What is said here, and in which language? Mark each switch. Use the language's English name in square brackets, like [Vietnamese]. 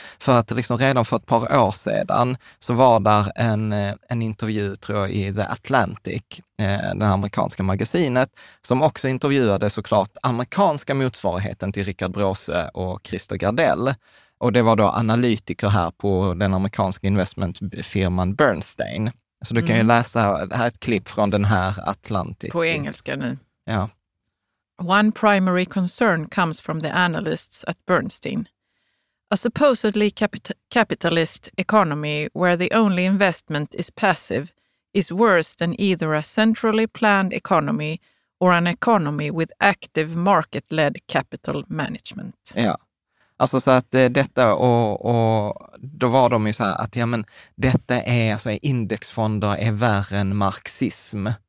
[Swedish] För att liksom redan för ett par år sedan så var där en intervju, tror jag, i The Atlantic, det amerikanska magasinet, som också intervjuade såklart amerikanska motsvarigheten till Rickard Bråse och Christer Gardell. Och det var då analytiker här på den amerikanska investmentfirman Bernstein. Så du kan ju läsa här ett klipp från den här Atlantic. På engelska nu. Ja. [English] One primary concern comes from the analysts at Bernstein. A supposedly capitalist economy where the only investment is passive is worse than either a centrally planned economy or an economy with active market-led capital management. [Swedish] Ja, alltså så att detta, och då var de ju så här att, ja, men detta är, alltså indexfonder är värre än marxism.